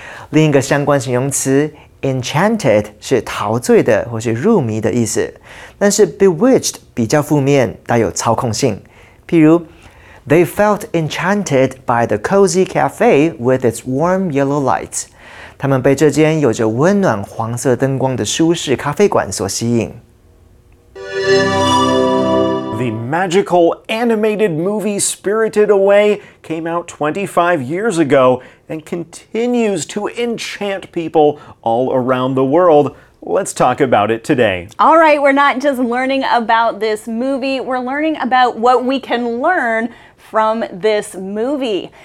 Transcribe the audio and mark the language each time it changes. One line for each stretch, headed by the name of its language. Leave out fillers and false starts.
Chinese: 另一个相关形容词 enchanted 是陶醉的或是入迷的意思，但是 bewitched 比较负面，带有操控性。
English: 譬如 They felt enchanted by the cozy cafe with its warm yellow lights.
Chinese: 他们被这间有着温暖黄色灯光的舒适咖啡馆所吸引。
English: The magical animated movie Spirited Away came out 25 years ago and continues to enchant people all around the world. Let's talk about it today. All right, we're not just learning about this movie, we're learning about what we can learn from this movie.